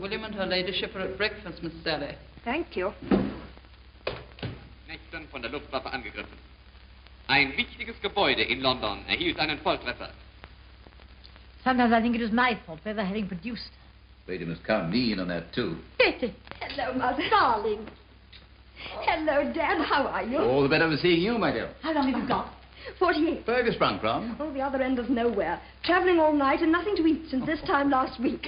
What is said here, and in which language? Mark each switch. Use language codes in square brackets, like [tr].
[en] William and her ladyship are at breakfast, Miss Sally. Thank you. [de] Nächsten von der Luftwaffe angegriffen. Ein wichtiges Gebäude in London erhielt einen Volltreffer. [en] Sometimes I think it was my fault for ever having produced her. Lady must count me in on that, too. Hello, Mother. Darling. Hello, Dad. How are you? All the better for seeing you, my dear. How long have you got? 48. Fergus Brunkram. Oh, the other end of nowhere. Travelling all night and nothing to eat since this time last week.